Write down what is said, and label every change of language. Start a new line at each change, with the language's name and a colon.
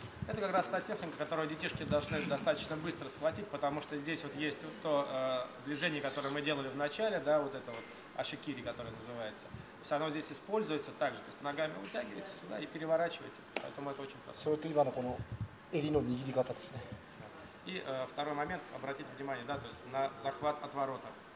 Russian: Это как раз та техника, которую детишки должны достаточно быстро схватить, потому что здесь вот есть то движение, которое мы делали в начале, да, вот это вот ашикири, которое называется. То есть оно здесь используется также, то есть ногами утягиваете сюда и переворачиваете. Поэтому это очень просто.
Japanese: それと今のこの襟の握り方ですね。
Russian: И второй момент, обратите внимание, да, то есть на захват отворота.